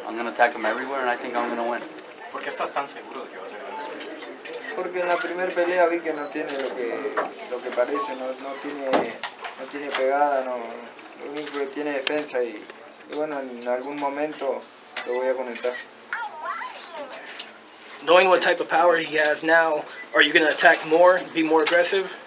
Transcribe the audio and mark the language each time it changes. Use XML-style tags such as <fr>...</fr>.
<en>I'm going to attack him everywhere, and I think I'm going to win.</en> <es>¿Por qué estás tan seguro de que vas a ganar? Porque en la primera pelea vi que no tiene lo que parece. No tiene pegada. No, lo único que tiene defensa y... Y bueno, en algún momento lo voy a conectar.</es> <en>Knowing what type of power he has now, are you going to attack more, be more aggressive?</en>